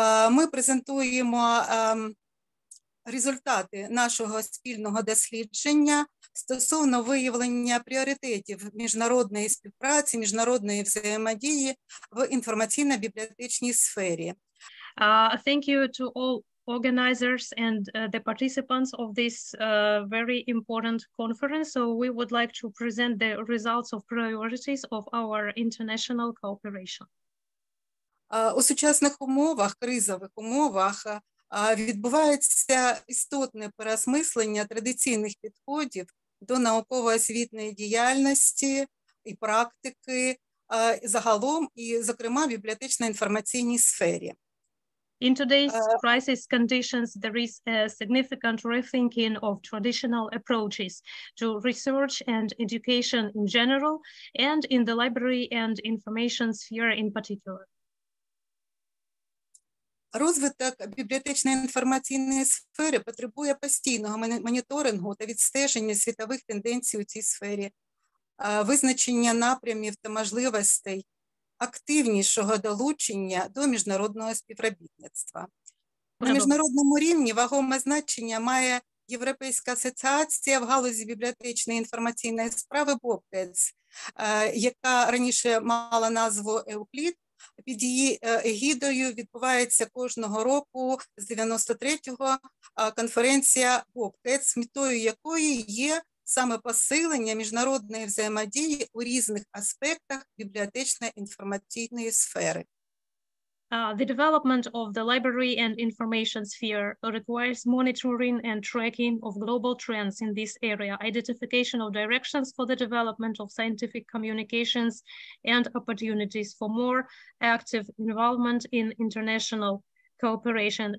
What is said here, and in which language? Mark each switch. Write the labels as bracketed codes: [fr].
[uk] Ми презентуємо результати нашого спільного дослідження стосовно виявлення пріоритетів міжнародної співпраці, міжнародної взаємодії в інформаційно-бібліотечній сфері. [en] Thank you to all organizers and the participants of this very important conference. So we would like to present the results of priorities of our international cooperation. [uk] У сучасних умовах, кризових умовах, відбувається істотне переосмислення традиційних підходів до науково-освітньої діяльності і практики загалом і, зокрема, в бібліотечно-інформаційній сфері. [en] In today's crisis conditions, there is a significant rethinking of traditional approaches to research and education in general and in the library and information sphere in particular. [uk] Розвиток бібліотечно-інформаційної сфери потребує постійного моніторингу та відстеження світових тенденцій у цій сфері, визначення напрямів та можливостей активнішого долучення до міжнародного співробітництва. На міжнародному рівні вагоме значення має Європейська асоціація в галузі бібліотечної інформаційної справи БОПКЕЦ, яка раніше мала назву Еукліт. Під її егідою відбувається кожного року з 93-го конференція БОПКЕЦ, метою якої є саме посилення міжнародної взаємодії у різних аспектах бібліотечно-інформаційної сфери. [en] The development of the library and information sphere requires monitoring and tracking of global trends in this area, identification of directions for the development of scientific communications and opportunities for more active involvement in international cooperation.